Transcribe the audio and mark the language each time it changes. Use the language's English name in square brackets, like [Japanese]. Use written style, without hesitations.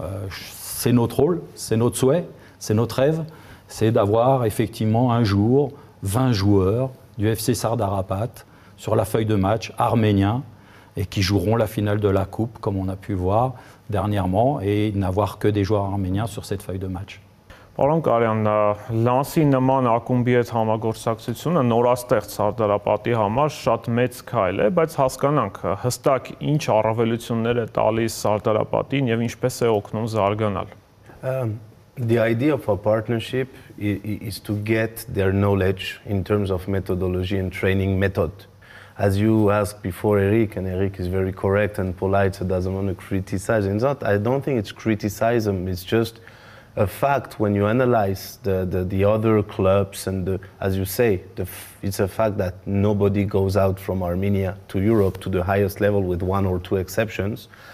[French] C'est notre rôle, c'est notre souhait, c'est notre rêve. C'est d'avoir effectivement un jour 20 joueurs du FC Sardar Rapat sur la feuille de match arménien et qui joueront la finale de la Coupe, comme on a pu voir dernièrement, et n'avoir que des joueurs arméniens sur cette feuille de match. [Armenian] Պարոն Կարյան, Լանսի նման ակումբի հետ համագործակցությունը նորաստեղծ Սարդարապատի համար շատ մեծ քայլ է, բայց հասկանանք, հստակ ինչ առավելություններ է տալիս Սարդարապատին և ինչպես է օգնում զարգանալ։ [English] The idea of a partnership is to get their knowledge in terms of methodology and training method. As you asked before, Eric, and Eric is very correct and polite, so doesn't want to criticize. It's not, I don't think it's criticism, it's just a fact when you analyze the other clubs and, as you say, it's a fact that nobody goes out from Armenia to Europe to the highest level with one or two exceptions.